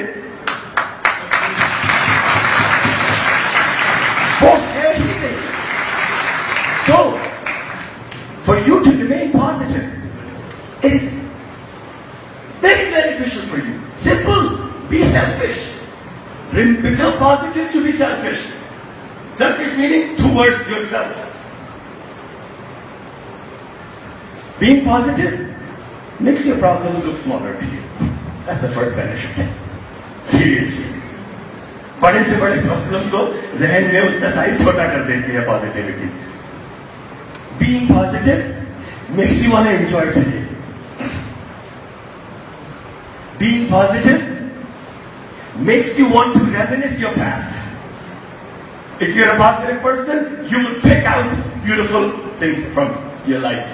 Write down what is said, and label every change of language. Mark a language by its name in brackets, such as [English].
[Hindi] वो है ही नहीं। [English] So for you to remain positive it is very beneficial for you. Simple. Be selfish. Become positive to be selfish. Selfish meaning towards yourself. Being positive makes your problems look smaller to you. That's the first benefit. Seriously. [Hindi] बड़े से बड़े problem को जहन में उसका size छोटा कर देती है positivity. Being positive makes you want to enjoy today. Being positive makes you want to reminisce your past. If you're a positive person, you will pick out beautiful things from your life.